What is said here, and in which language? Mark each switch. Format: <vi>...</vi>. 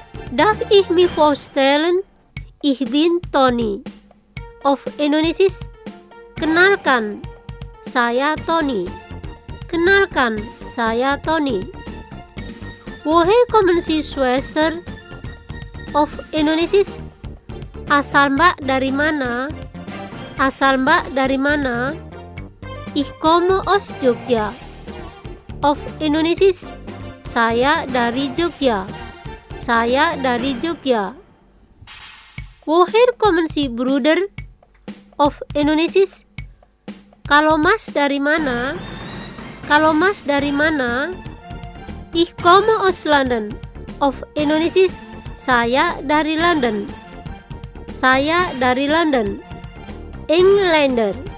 <de>Darf ich mich vorstellen? Ich bin Tony. Of Indonesisch</de> <id>kenalkan, saya Tony. Kenalkan, saya Tony.</id> <de>Woher kommen Sie, Schwester? Of Indonesisch</de> <id>asal mbak dari mana? Asal mbak dari mana?</id> <de>Ich komme aus Jogja. Of Indonesisch,</de> <id>saya dari Jogja. Saya dari Jogja.</id> <de>Woher kommen Sie, Bruder? Of Indonesisch,</de> <id>kalau Mas dari mana? Kalau Mas dari mana?</id> <de>Ich komme aus London. Of Indonesisch,</de> <id>saya dari London. Saya dari London. Englander.</id>